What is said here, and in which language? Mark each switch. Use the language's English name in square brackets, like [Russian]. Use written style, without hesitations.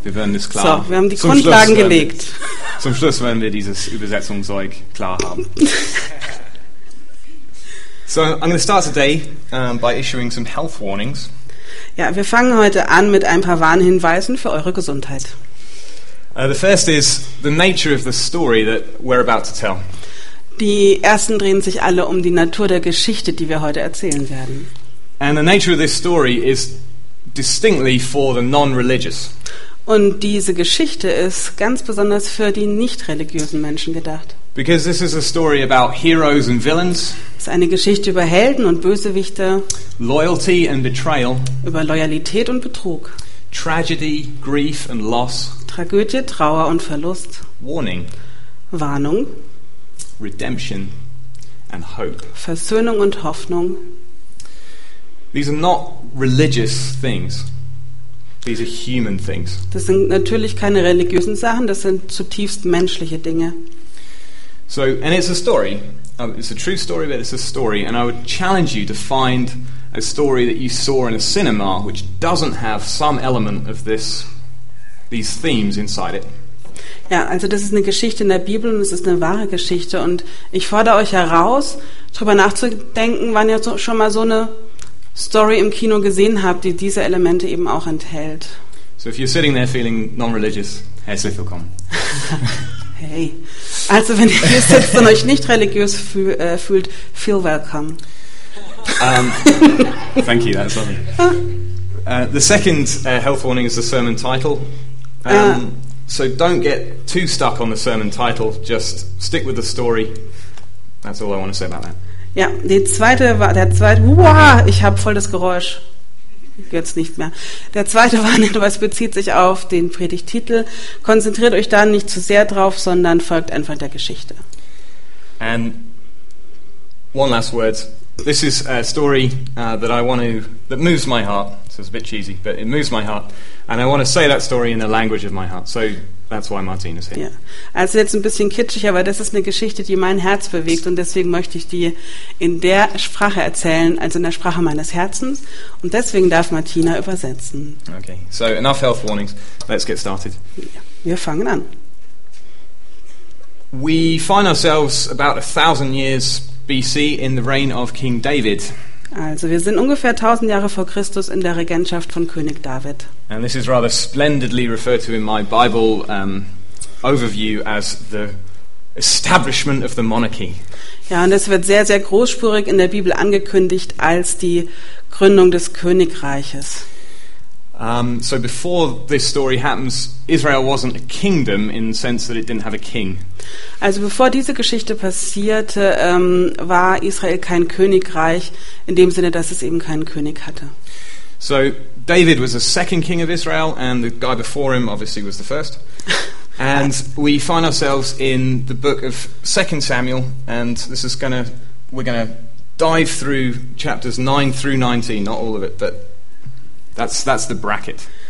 [German] Wir werden es klar. So, wir haben die Grundlagen gelegt. Zum Schluss werden wir dieses Übersetzungszeug klar haben. [English] So I'm going to start today by issuing some health warnings. [German] Ja, wir fangen heute an mit ein paar Warnhinweisen für eure Gesundheit. [English] The first is the nature of the story that we're about to tell. [German] Die ersten drehen sich alle um die Natur der Geschichte, die wir heute erzählen werden. [English] And the nature of this story is distinctly for the non-religious. [German] Und diese Geschichte ist ganz besonders für die nicht-religiösen Menschen gedacht. [English] Because this is a story about heroes and villains. [German] Es ist eine Geschichte über Helden und Bösewichte. [English] Loyalty and betrayal. [German] Über Loyalität und Betrug. [English] Tragedy, grief and loss. [German] Tragödie, Trauer und Verlust. [English] Warning. [German] Warnung. [English] Redemption and hope. [German] Versöhnung und Hoffnung. [English] These are not religious things. These are human things. [German] Das sind natürlich keine religiösen Sachen, das sind zutiefst menschliche Dinge. [English] So, and it's a story. It's a true story, but it's a story. And I would challenge you to find a story that you saw in a cinema which doesn't have some element of this, these themes inside it. [German] Ja, also das ist eine Geschichte in der Bibel und es ist eine wahre Geschichte. Und ich fordere euch heraus, darüber nachzudenken, wann ihr schon mal so eine Story im Kino gesehen habt, die diese Elemente eben auch enthält. [English] So if you're sitting there feeling non-religious, [German] herzlich willkommen. [English] Hey. [German] Also wenn ihr hier sitzt und euch nicht religiös fühlt, [English] feel welcome. Thank you, that's lovely. The second health warning is the sermon title. So don't get too stuck on the sermon title, just stick with the story. That's all I want to say about that. [German] Ja, der zweite, wow, ich habe voll das Geräusch. Jetzt nicht mehr. Der zweite Warnhinweis bezieht sich auf den Predigttitel. Konzentriert euch da nicht zu sehr drauf, sondern folgt einfach der Geschichte. [English] And one last word. This is a story that moves my heart. So it's a bit cheesy, but it moves my heart. And I want to say that story in the language of my heart. So that's why Martina is here. [German] Ja. Also jetzt ein bisschen kitschig, aber das ist eine Geschichte, die mein Herz bewegt und deswegen möchte ich die in der Sprache erzählen, also in der Sprache meines Herzens. Und deswegen darf Martina übersetzen. [English] Okay, so enough health warnings. Let's get started. [German] Ja. Wir fangen an. [English] We find ourselves about 1,000 years BC in the reign of King David. [German] Also wir sind ungefähr 1000 Jahre vor Christus in der Regentschaft von König David. [English] And this is rather splendidly referred to in my Bible overview as the establishment of the monarchy. [German] Ja, und es wird sehr, sehr großspurig in der Bibel angekündigt als die Gründung des Königreiches. [English] So before this story happens, Israel wasn't a kingdom in the sense that it didn't have a king. [German] Also bevor diese Geschichte passierte, war Israel kein Königreich in dem Sinne, dass es eben keinen König hatte. [English] So David was the second king of Israel and the guy before him obviously was the first. And we find ourselves in the book of 2 Samuel and we're going to dive through chapters 9 through 19, not all of it, but That's the bracket.